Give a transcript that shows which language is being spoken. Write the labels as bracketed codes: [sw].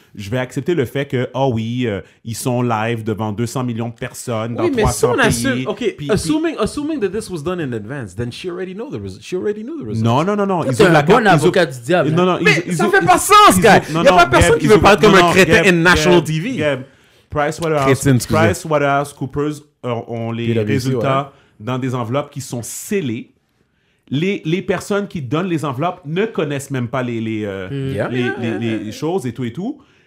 [fr] Je vais accepter le fait que, oh oui, ils sont live devant 200 millions de personnes dans 300 pays. Oui, mais si on assume... [en] OK, assuming that this was done in advance, then she already knew the results. She already knew the results. [fr] Non. C'est un bon avocat du diable. Non, non. Mais ça ne fait pas sens, gars. Il n'y a pas personne qui veut parler comme un crétin [en] in national TV. [fr] PricewaterhouseCoopers ont les résultats dans des enveloppes qui sont scellées. Les personnes qui donnent les enveloppes ne connaissent même pas les choses et tout et tout.